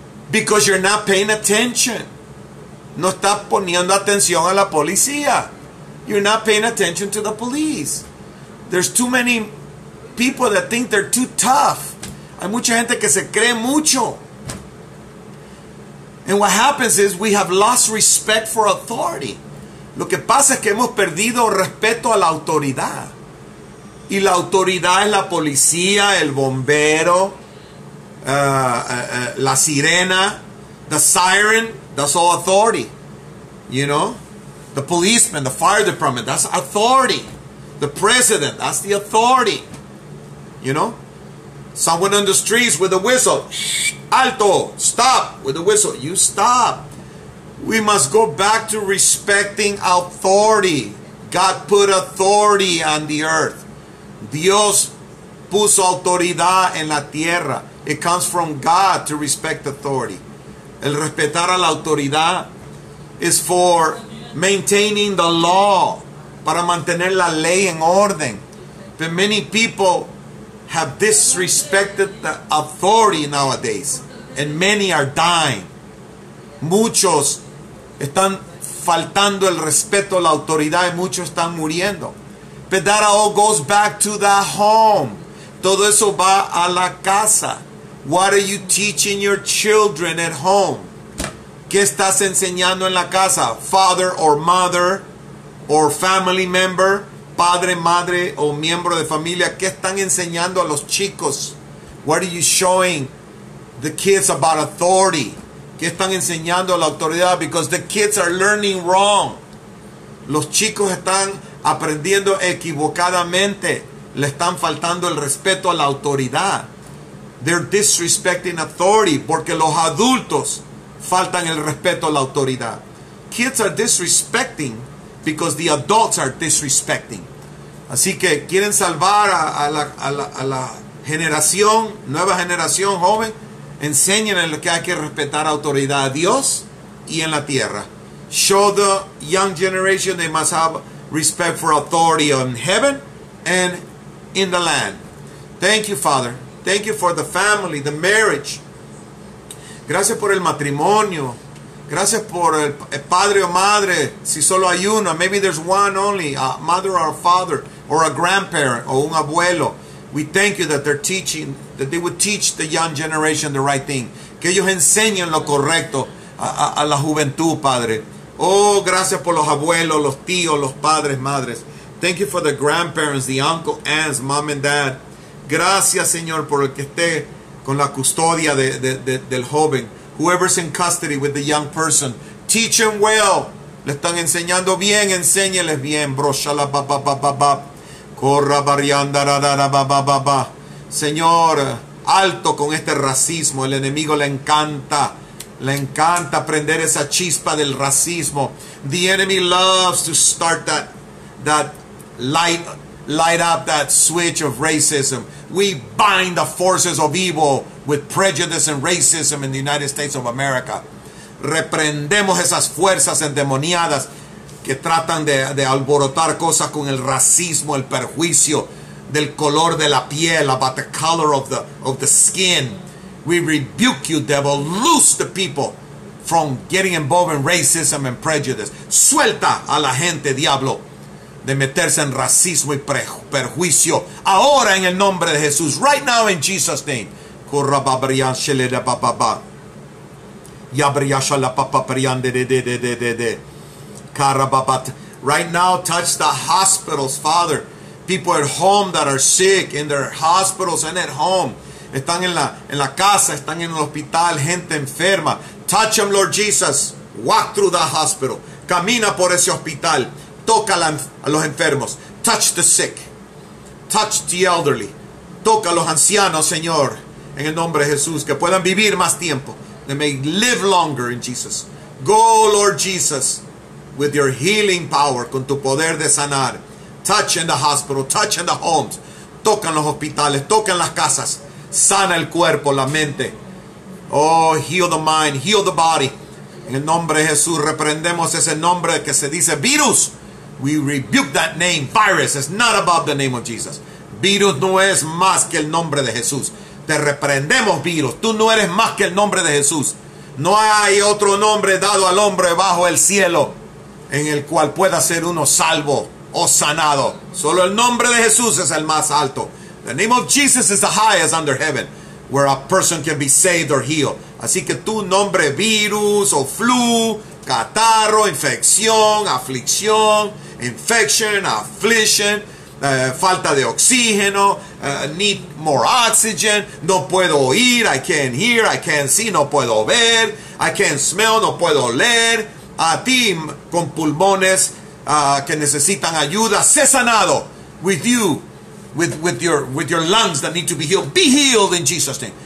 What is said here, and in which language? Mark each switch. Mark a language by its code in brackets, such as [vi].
[en] Because you're not paying attention. [es] No estás poniendo atención a la policía. [en] You're not paying attention to the police. There's too many people that think they're too tough. [es] Hay mucha gente que se cree mucho. [en] And what happens is we have lost respect for authority. [es] Lo que pasa es que hemos perdido respeto a la autoridad. Y la autoridad es la policía, el bombero, la sirena, [en] the siren, that's all authority. You know? The policeman, the fire department, that's authority. The president, that's the authority. You know? Someone on the streets with a whistle. Shh, alto, stop with a whistle. You stop. We must go back to respecting authority. God put authority on the earth. [es] Dios puso autoridad en la tierra. [en] It comes from God to respect authority. [es] El respetar a la autoridad [en] is for maintaining the law, [es] para mantener la ley en orden. [en] But many people have disrespected the authority nowadays, and many are dying. [es] Muchos están faltando el respeto a la autoridad y muchos están muriendo. [en] But that all goes back to the home. [es] Todo eso va a la casa. [en] What are you teaching your children at home? [es] ¿Qué estás enseñando en la casa? [en] Father or mother or family member, [es] padre, madre o miembro de familia. ¿Qué están enseñando a los chicos? [en] What are you showing the kids about authority? [es] ¿Qué están enseñando a la autoridad? [en] Because the kids are learning wrong. [es] Los chicos están aprendiendo equivocadamente. Le están faltando el respeto a la autoridad. [en] They're disrespecting authority [es] porque los adultos faltan el respeto a la autoridad. [en] Kids are disrespecting because the adults are disrespecting. [es] Así que quieren salvar a la generación, nueva generación joven, enséñenle que hay que respetar autoridad a Dios y en la tierra. [en] Show the young generation they must have respect for authority on heaven and in the land. Thank you, Father. Thank you for the family, the marriage. [es] Gracias por el matrimonio. Gracias por el padre o madre, si solo hay uno. [en] Maybe there's one only, a mother or a father, or a grandparent, [es] o un abuelo. [en] We thank you that they're teaching, that they would teach the young generation the right thing. [es] Que ellos enseñen lo correcto a la juventud, Padre. Oh, gracias por los abuelos, los tíos, los padres, madres. [en] Thank you for the grandparents, the uncle, aunts, mom and dad. [es] Gracias, Señor, por el que esté con la custodia del joven. [en] Whoever's in custody with the young person, teach them well. [es] Le están enseñando bien, enséñeles bien. Broshala ba ba ba ba ba. Corra barrianda ra ra ba ba ba ba. Señor, alto con este racismo. El enemigo le encanta. Le encanta prender esa chispa del racismo. [en] The enemy loves to start that light up that switch of racism. We bind the forces of evil with prejudice and racism in the United States of America. [es] Reprendemos esas fuerzas endemoniadas que tratan de alborotar cosas con el racismo, el perjuicio del color de la piel, [en] about the color of the skin. We rebuke you, devil. Loose the people from getting involved in racism and prejudice. [es] Suelta a la gente, diablo, de meterse en racismo y perjuicio. Ahora en el nombre de Jesús. [en] Right now in Jesus' name. Corra babrián shele de papapá. Yabriá shala papapriyan de. Carababat. Right now, touch the hospitals, Father. People at home that are sick in their hospitals and at home. [es] Están en la casa, están en el hospital, gente enferma. [en] Touch them, Lord Jesus. Walk through the hospital. [es] Camina por ese hospital. Toca a los enfermos. [en] Touch the sick. Touch the elderly. [es] Toca a los ancianos, Señor, en el nombre de Jesús, que puedan vivir más tiempo. [en] They may live longer in Jesus. Go, Lord Jesus, with your healing power, [es] con tu poder de sanar. [en] Touch in the hospital, touch in the homes. [es] Toca en los hospitales, toca en las casas. Sana el cuerpo, la mente. [en] Oh, heal the mind, heal the body. [es] En el nombre de Jesús, reprendemos ese nombre que se dice virus. [en] We rebuke that name, virus. It's not above the name of Jesus. [es] Virus no es más que el nombre de Jesús. Te reprendemos, virus. Tú no eres más que el nombre de Jesús. No hay otro nombre dado al hombre bajo el cielo en el cual pueda ser uno salvo o sanado. Solo el nombre de Jesús es el más alto. [en] The name of Jesus is the highest under heaven, where a person can be saved or healed. [es] Así que tu nombre, virus o flu, catarro, infección, aflicción, [en] infection, affliction, [es] falta de oxígeno, [en] need more oxygen, [es] no puedo oír, [en] I can't hear, I can't see, [es] no puedo ver, [en] I can't smell, [es] no puedo oler. A ti con pulmones que necesitan ayuda, sé sanado. [en] With you, with your lungs that need to be healed, be healed in Jesus' name.